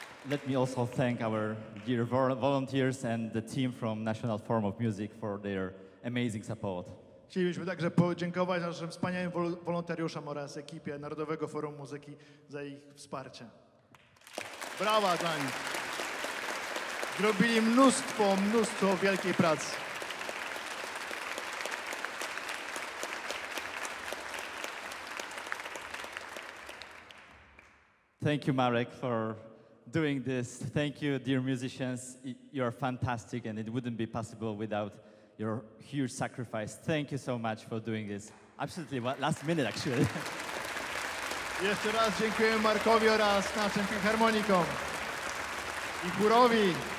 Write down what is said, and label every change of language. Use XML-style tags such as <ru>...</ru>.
<en>Let me also thank our dear volunteers and the team from National Forum of Music for their amazing support.</en> <pl>Chcielibyśmy także podziękować naszym wspaniałym wolontariuszom oraz ekipie Narodowego Forum Muzyki za ich wsparcie. Brawa dla nich. Zrobili mnóstwo wielkiej pracy.</pl> <en>Thank you, Marek, for doing this. Thank you, dear musicians. You are fantastic, and it wouldn't be possible without your huge sacrifice. Thank you so much for doing this. Absolutely, last minute, actually.</en> <pl>Jeszcze raz dziękujemy Markowi oraz naszym filharmonikom i chórowi.</pl>